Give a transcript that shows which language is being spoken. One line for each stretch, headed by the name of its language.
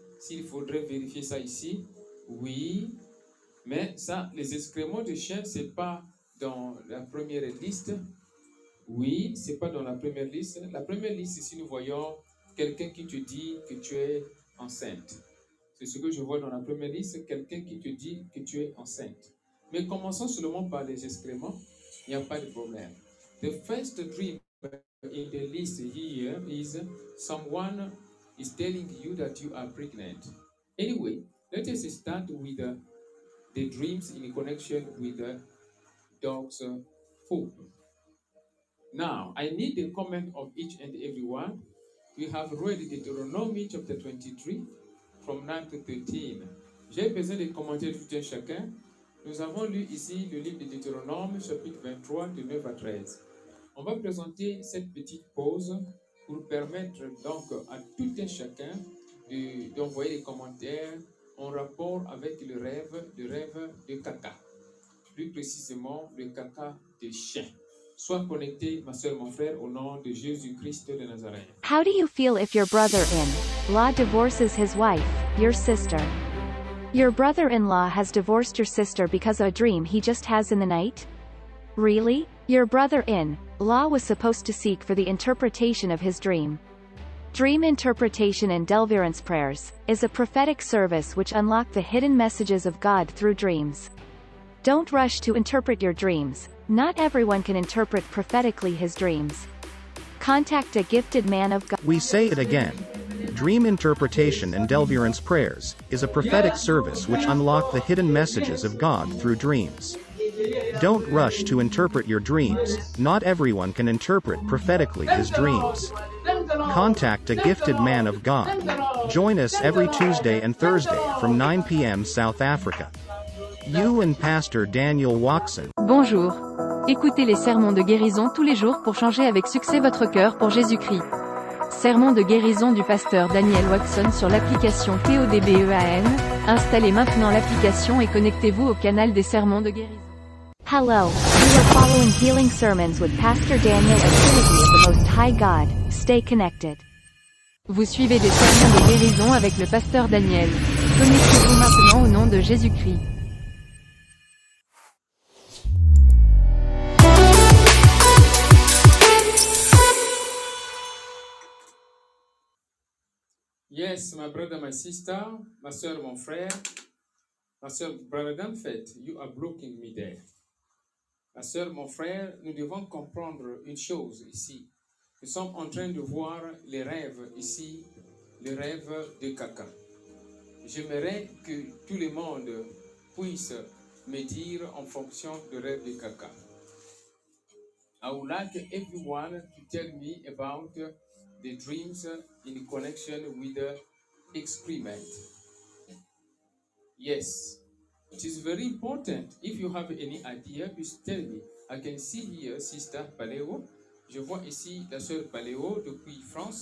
French: S'il faudrait vérifier ça ici. Oui. Mais ça, les excréments de chien, ce n'est pas dans la première liste. Oui, ce n'est pas dans la première liste. La première liste, ici, nous voyons quelqu'un qui te dit que tu es enceinte. C'est ce que je vois dans la première liste, quelqu'un qui te dit que tu es enceinte. Mais commençons seulement par les excréments, il n'y a pas de problème.
English: The first dream in the list here is someone is telling you that you are pregnant. Anyway, let us start with the dreams in connection with the dog's poop. Now, I need the comment of each and everyone. We have read Deuteronomy chapter 23 from 9 to 13.
French: J'ai besoin de commenter tout un chacun. Nous avons lu ici le livre de Deutéronome, chapitre 23, de 9 à 13. On va présenter cette petite pause pour permettre donc à tout un chacun d'envoyer des commentaires en rapport avec le rêve de caca. Plus précisément, le caca de chien. Sois connecté, ma soeur, mon frère, au nom de Jésus Christ de Nazareth.
English: How do you feel if your brother-in-law divorces his wife, your sister? Your brother-in-law has divorced your sister because of a dream he just has in the night? Really? Your brother-in-law was supposed to seek for the interpretation of his dream. Dream Interpretation and Deliverance Prayers is a prophetic service which unlock the hidden messages of God through dreams. Don't rush to interpret your dreams. Not everyone can interpret prophetically his dreams. Contact a gifted man of God. We say it again. Dream Interpretation and Deliverance Prayers is a prophetic service which unlock the hidden messages of God through dreams. Don't rush to interpret your dreams. Not everyone can interpret prophetically his dreams. Contact a gifted man of God. Join us every Tuesday and Thursday from 9 p.m. South Africa. You and Pastor Daniel Watson.
French: Bonjour. Écoutez les sermons de guérison tous les jours pour changer avec succès votre cœur pour Jésus-Christ. Sermon de guérison du pasteur Daniel Watson sur l'application TODBEAN. Installez maintenant l'application et connectez-vous au canal des sermons de guérison.
English: Hello, you are following healing sermons with Pastor Daniel at Trinity of the Most High God. Stay connected.
French: Vous suivez des sermons de guérison avec le pasteur Daniel. Connectez-vous maintenant au nom de Jésus-Christ.
English: Yes, my brother, my sister,
French: ma soeur, mon frère, ma soeur,
English: brother, in fact, you are blocking me there.
French: Ma soeur, mon frère, nous devons comprendre une chose ici. Nous sommes en train de voir les rêves ici, les rêves de caca. J'aimerais que tout le monde puisse me dire en fonction du rêve de caca.
English: I would like everyone to tell me about the dreams in connection with the excrement. Yes, it is very important. If you have any idea, please tell me. I can see here Sister Paléo.
French: Je vois ici la sœur Paléo depuis France.